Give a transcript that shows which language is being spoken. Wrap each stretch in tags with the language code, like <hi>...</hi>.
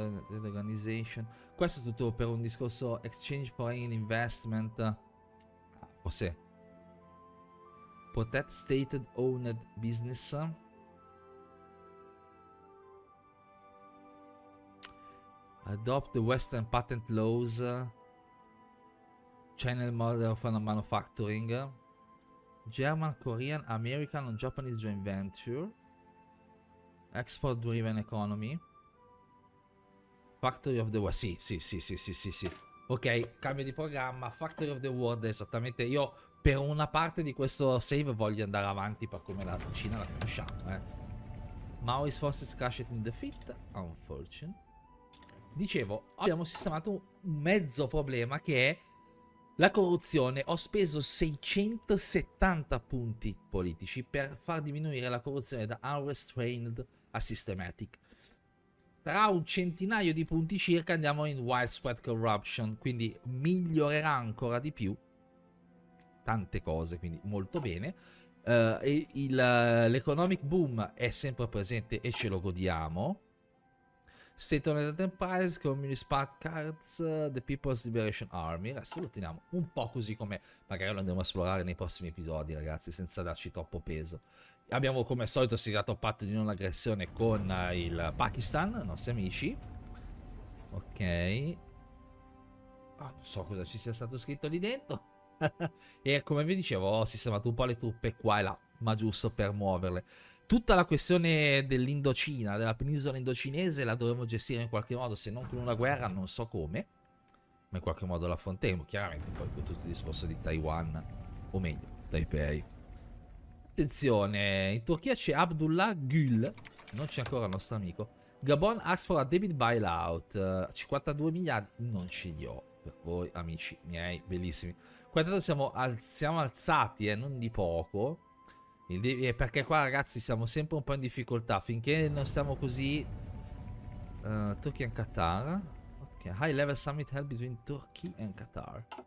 <it>Organization. Questo è tutto per un discorso</it> <en>exchange foreign investment. Forse protect stated owned business. Adesso adopt the Western patent laws. Channel model of manufacturing. German, Korean, American, Japanese joint venture. Export driven economy. Factory of the World.</en> <it>Sì. Ok, cambio di programma.</it> <en>Factory of the World, esattamente.</en> <it>Io per una parte di questo save voglio andare avanti per come la Cina la conosciamo, eh.</it> <en>Maoist forces crashed in defeat. Unfortunate.</en> <it>Dicevo, abbiamo sistemato un mezzo problema che è la corruzione. Ho speso 670 punti politici per far diminuire la corruzione da unrestrained a systematic. Tra un centinaio di punti circa andiamo in widespread corruption, quindi migliorerà ancora di più tante cose, quindi molto bene. L'economic boom è sempre presente e ce lo godiamo.</it> <en>State-owned enterprise, Communist Cards, The People's Liberation Army.</en> <it>Adesso lo teniamo un po' così come magari lo andremo a esplorare nei prossimi episodi, ragazzi, senza darci troppo peso. Abbiamo come al solito siglato un patto di non aggressione con il Pakistan, nostri amici. Ok. Ah, non so cosa ci sia stato scritto lì dentro. E come vi dicevo, ho sistemato un po' le truppe qua e là, ma giusto per muoverle. Tutta la questione dell'Indocina, della penisola indocinese, la dovremo gestire in qualche modo, se non con una guerra, non so come. Ma in qualche modo la affronteremo. Chiaramente poi con tutto il discorso di Taiwan, o meglio, Taipei. Attenzione, in Turchia c'è Abdullah Gül, non c'è ancora il nostro amico.</it> <en>Gabon asks for a debit bailout,</en> <it>52 miliardi, non ce li ho per voi, amici miei, bellissimi. Qua intanto siamo alzati, non di poco. Perché qua, ragazzi, siamo sempre un po' in difficoltà. Finché non stiamo così. Turkey and Qatar.</it> <en>Ok, high level summit held between Turkey and Qatar.</en>